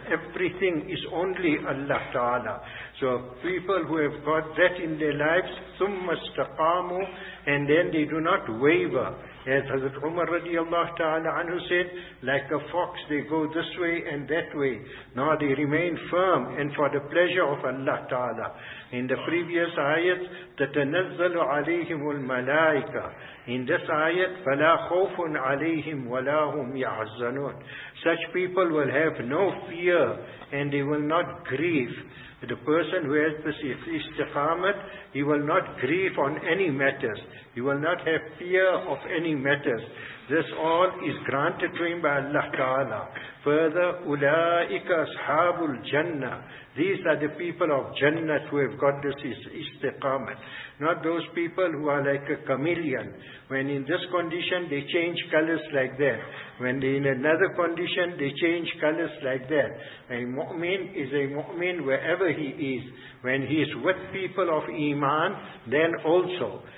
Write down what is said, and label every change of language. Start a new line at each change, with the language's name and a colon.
English: Everything is only Allah Ta'ala. So people who have got that in their lives,
Arabic: ثُمَّ اسْتَقَامُوا,
English: and then they do not waver. As Hazrat Umar radiallahu ta'ala anhu said, like a fox they go this way and that way. Now they remain firm and for the pleasure of Allah Ta'ala. In the previous ayat,
Arabic: تَتَنَزَّلُ عَلَيْهِمُ الْمَلَائِكَ.
English: In this ayat,
Arabic: فَلَا خَوْفٌ عَلَيْهِمْ وَلَا هُمْ يَعْزَنُونَ.
English: Such people will have no fear and they will not grieve. The person who has this istiqamat, he will not grieve on any matters. He will not have fear of any matters. This all is granted to him by Allah Ta'ala. Further,
Arabic: أُولَٰئِكَ أَصْحَابُ الْجَنَّةِ.
English: These are the people of Jannah who have got this istiqamat. Not those people who are like a chameleon. When in this condition, they change colors like that. When in another condition, they change colors like that. A mu'min is a mu'min wherever he is. When he is with people of iman, then also.